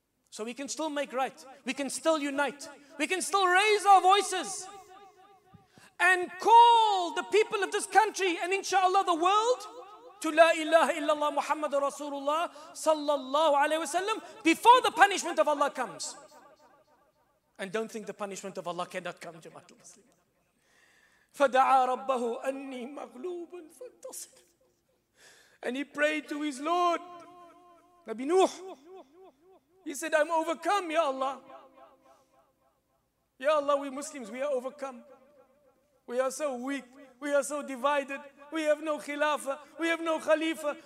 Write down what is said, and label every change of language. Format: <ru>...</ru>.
<en>So we can still make right. We can still unite. We can still raise our voices and call the people of this country and inshallah the world to La ilaha illallah Muhammadur Rasulullah sallallahu alayhi wasallam before the punishment of Allah comes. And don't think the punishment of Allah cannot come, Jamaatul Muslimin.</en> <ar>فدعا ربه أني مغلوب فانتصر.</ar> <en>And he prayed to his Lord, Nabi Nuh. He said, I'm overcome, Ya Allah. Ya Allah, we Muslims, we are overcome. We are so weak. We are so divided. We have no khilafah. We have no khalifa.</en>